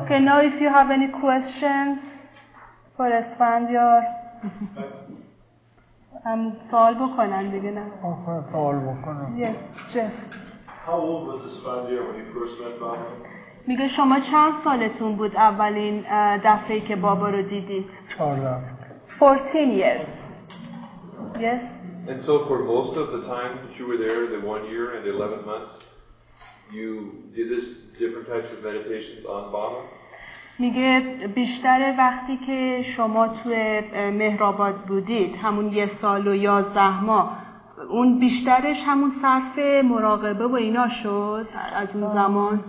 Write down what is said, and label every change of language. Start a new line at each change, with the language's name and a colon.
English: okay now if you have any questions for Esfandiar
Persian: هم سوال بکنن دیگه. نه آخه سوال بکنم.
English: Yes Jeff, how old was Esfandiar when he first met بابا؟
Persian: میگه شما چند سالتون بود اولین دفعه که بابا رو دیدید؟
English: 14 years. Yes. And so for most of the time that you were there, the 1 year and 11 months, you did this different types of meditations on Bama?
Persian: میگه بیشتر وقتی که شما توی مهرآباد بودید، همون یه سال و 11 ماه، اون بیشترش همون صرف مراقبه و اینا شد از اون زمان؟